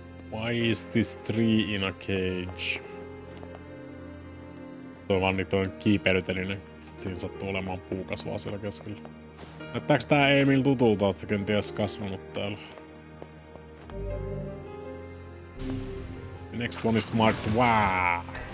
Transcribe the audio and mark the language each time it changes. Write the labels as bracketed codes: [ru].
[en] Why is this tree in a cage? [fi] Tuo vaan niin toinen kiipeilytelinen. Siinä sattuu olemaan puukasvaa siellä keskellä. Näyttääks tää Emil tutulta, oot sä kenties kasvanut täällä? [en] The next one is marked WAAA!